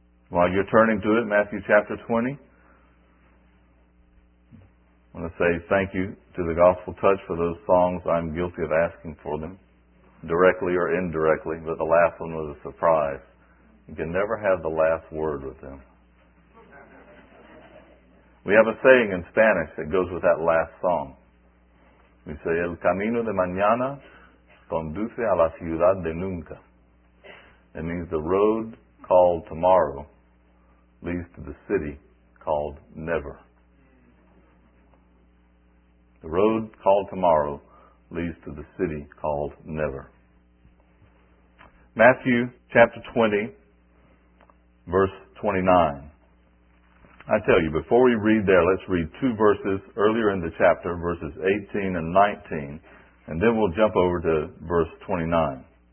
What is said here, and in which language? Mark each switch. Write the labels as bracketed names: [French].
[English] While you're turning to it, Matthew chapter 20, I want to say thank you to the Gospel Touch for those songs. I'm guilty of asking for them, directly or indirectly, but the last one was a surprise. You can never have the last word with them. We have a saying in Spanish that goes with that last song. We say, [Spanish] El camino de mañana conduce a la ciudad de nunca. [English] It means the road called tomorrow leads to the city called never. The road called tomorrow leads to the city called never. Matthew chapter 20, verse 29. I tell you, before we read there, let's read two verses earlier in the chapter, verses 18 and 19, and then we'll jump over to verse 29.